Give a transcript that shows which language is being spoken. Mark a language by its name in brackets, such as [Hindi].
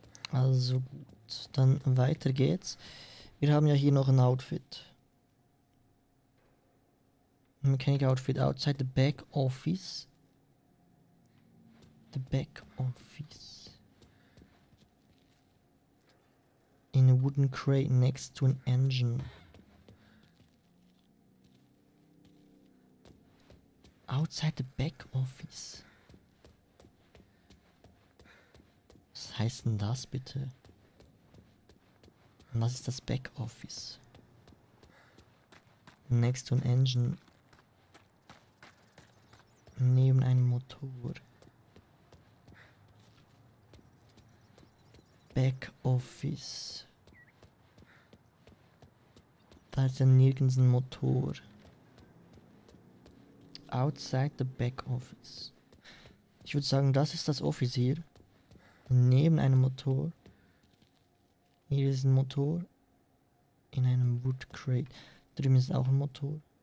[German] Also gut, dann weiter geht's. Wir haben ja hier noch ein Outfit. [English] Mechanic Outfit outside the back office. The back office. In a wooden crate next to an engine. Outside the back office. [German] Was heißt denn das bitte? Und was ist das Backoffice? [English] Next to an engine. [German] Neben einem Motor. Backoffice. Da ist ja nirgends ein Motor. [English] Outside the backoffice. [German] Ich würde sagen, das ist das Office hier. Neben einem Motor. Hier ist ein Motor. In einem Wood Crate. Drüben ist auch ein Motor.